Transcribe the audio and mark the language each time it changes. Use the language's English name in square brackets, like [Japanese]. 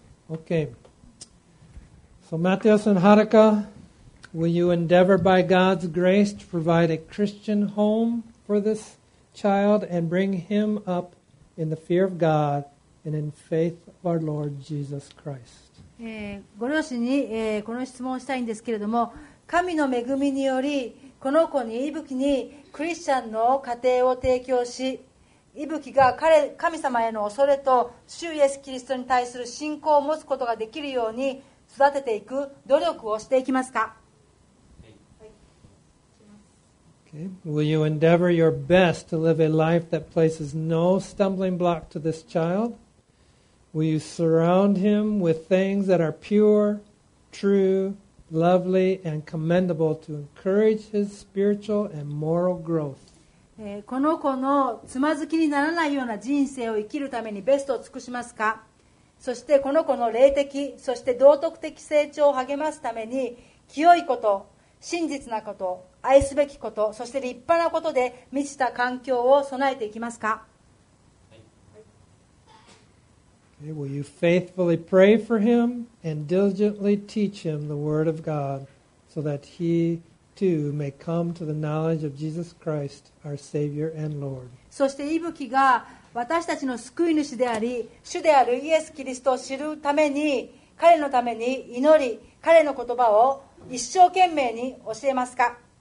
[English] Okay. So, Matheus and Haruka, will you endeavor by God's grace to provide a Christian home for this child and bring him up in the fear of God and in faith of our Lord Jesus Christ? [Japanese] ご両親に、この質問をしたいんですけれども、神の恵みにより、この子に、いぶきにクリスチャンの家庭を提供し、いぶきが神様への恐れと主イエスキリストに対する信仰を持つことができるように、育てていく努力をしていきますか。 [English] Okay. Will you endeavor your best to live a life that places no stumbling block to this child? Will you surround him with things that are pure, true, lovely, and commendable to encourage his spiritual and moral growth? [Japanese] この子のつまずきにならないような人生を生きるためにベストを尽くしますか。そしてこの子の霊的、そして道徳的成長を励ますために、清いこと、真実なこと、愛すべきこと、そして立派なことで満ちた環境を備えていきますか。 [English] Okay. Will you faithfully pray for him and diligently teach him the word of God so that he too may come to the knowledge of Jesus Christ, our Savior and Lord? [Japanese] そしていぶきが私たちの救い主であり主であるイエス・キリストを知るために彼のために祈り彼の言葉を一生懸命に教えますか。